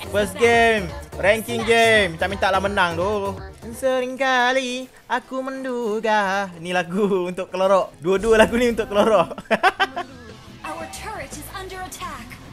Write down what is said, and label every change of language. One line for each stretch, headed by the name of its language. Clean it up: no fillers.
English: First game, ranking game.
Malay: Minta-minta lah menang tu. Seringkali aku menduga. Ni lagu untuk kelorok. Dua-dua lagu ni untuk kelorok.
English: Our turret is under attack.